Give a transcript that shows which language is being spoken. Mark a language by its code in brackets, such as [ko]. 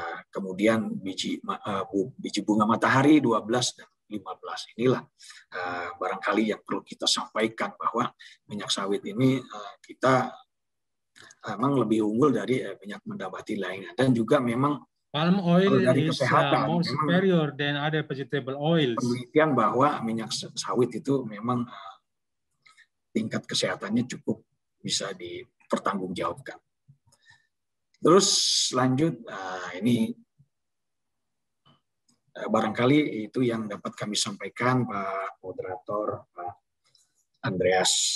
[id] Kemudian biji bunga matahari 12 dan 15. Inilah barangkali yang perlu kita sampaikan bahwa minyak sawit ini kita memang lebih unggul dari minyak nabati lainnya. Dan juga memang [en] palm oil is more superior than other vegetable oils. [id] Penelitian bahwa minyak sawit itu memang tingkat kesehatannya cukup bisa dipertanggungjawabkan. Terus lanjut, ini barangkali itu yang dapat kami sampaikan, Pak Moderator, Pak Andreas.